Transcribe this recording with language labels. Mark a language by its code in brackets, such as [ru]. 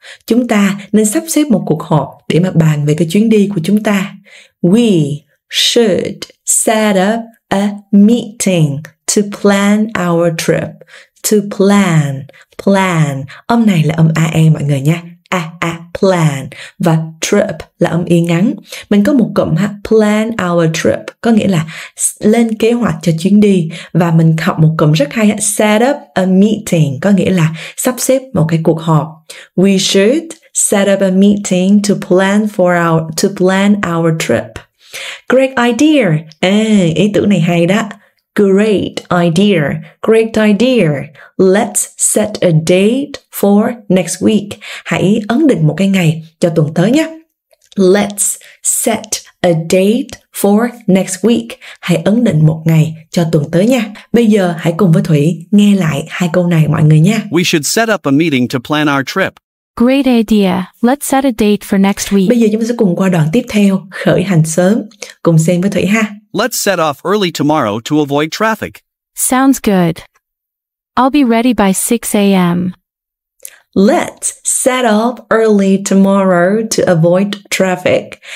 [vi] Chúng ta nên sắp xếp một cuộc họp để mà bàn về cái chuyến đi của chúng ta. [en] We should set up a meeting to plan our trip. To plan. Plan. [vi] Âm này là âm AE mọi người nha. A plan. Và trip là âm y ngắn. Mình có một cụm ha, [en] plan our trip, [vi] có nghĩa là lên kế hoạch cho chuyến đi. Và mình học một cụm rất hay ha, [en] set up a meeting, [vi] có nghĩa là sắp xếp một cái cuộc họp. [en] We should set up a meeting to plan for our to plan our trip. Great idea. [vi] Ý tưởng này hay đó. [en] Great idea. Great idea. Let's set a date for next week. [vi] Hãy ấn định một cái ngày cho tuần tới nhé. [en] Let's set a date for next week. [vi] Hãy ấn định một ngày cho tuần tới nha. Bây giờ hãy cùng với Thủy nghe lại hai câu này mọi người nha. [en] We should set up a meeting to plan our trip. Great idea. Let's set a date for next week. Bây giờ chúng ta sẽ cùng qua đoạn tiếp theo, khởi hành sớm. Cùng xem với Thủy ha. Let's set off early tomorrow to avoid traffic. Sounds good. I'll be ready by 6 a.m. Let's set off early tomorrow to avoid traffic.